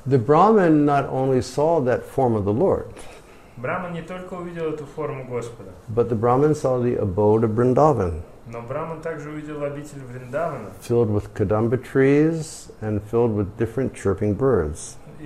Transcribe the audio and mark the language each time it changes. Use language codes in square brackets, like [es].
[en] The Brahmin not only saw that form of the Lord, [ru] Brahman не только увидел эту форму Господа, [en] but the Brahmin saw the abode of Vrindavan. [ru] Но Брахман также увидел обитель Вриндавана. [en] Filled with kadamba trees and filled with different chirping birds.